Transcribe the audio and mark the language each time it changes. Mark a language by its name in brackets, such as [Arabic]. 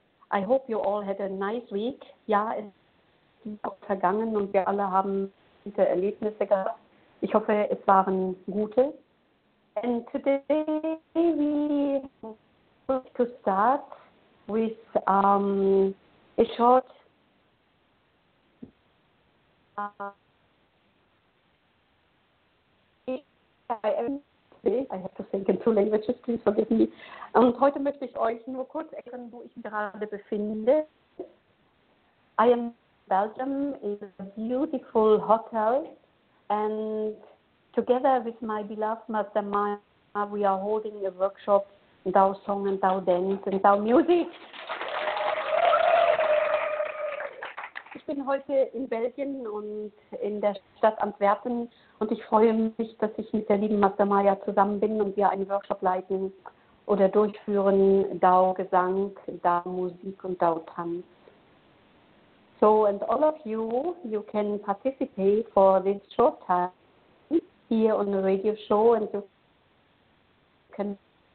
[English] I hope you all had a nice week. [German] Ja, es ist auch vergangen und wir alle haben gute Erlebnisse gehabt. Ich hoffe, es waren gute. [English] And today we want to start with a short I have to think in two languages, please forgive me. [German] Und heute möchte ich euch nur kurz erklären, wo ich mich gerade befinde. [English] I am in Belgium in a beautiful hotel and together with my beloved Master Maya, we are holding a workshop in Tao Song and Tao Dance and Tao Music. [German] Ich bin heute in Belgien und in der Stadt Antwerpen und ich freue mich, dass ich mit der lieben Master Maya zusammen bin und wir einen Workshop leiten oder durchführen, Dao Gesang, Dao Musik und Dao Tanz. [English] So, and all of you, you can participate for this short time here on the radio show and you can